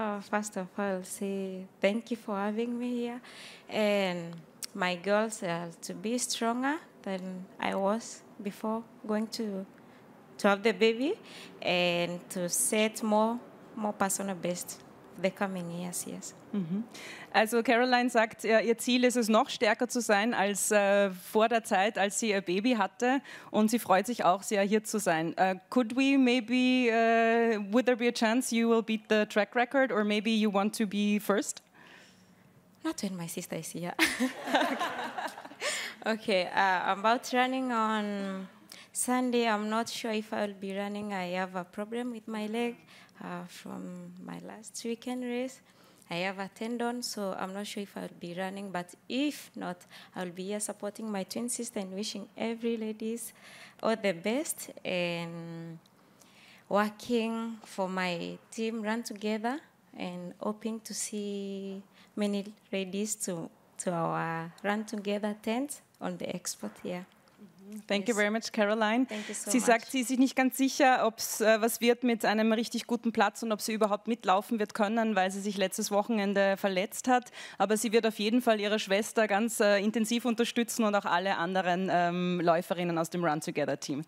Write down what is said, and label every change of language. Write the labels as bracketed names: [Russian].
[English] First of all, say thank you for having me here. And my goals are to be stronger than I was before going to have the baby and to set more personal best becoming, yes, yes. Mm-hmm. [German] Also Caroline sagt, ihr Ziel ist es, noch stärker zu sein als vor der Zeit, als sie ihr Baby hatte. Und sie freut sich auch sehr, hier zu sein. [English] Could we maybe, would there be a chance you will beat the track record or maybe you want to be first? Not when my sister is here. Okay, about running on Sunday, I'm not sure if I'll be running. I have a problem with my leg from my last weekend race. I have a tendon, so I'm not sure if I'll be running. But if not, I'll be here supporting my twin sister and wishing every ladies all the best and working for my team Run Together and hoping to see many ladies to our Run Together tent on the export here. Thank you very much, Caroline. Thank you so [German] sie [English] much. [German] Sagt, sie ist sich nicht ganz sicher, ob's, was wird mit einem richtig guten Platz und ob sie überhaupt mitlaufen wird können, weil sie sich letztes Wochenende verletzt hat. Aber sie wird auf jeden Fall ihre Schwester ganz intensiv unterstützen und auch alle anderen Läuferinnen aus dem Run Together Team.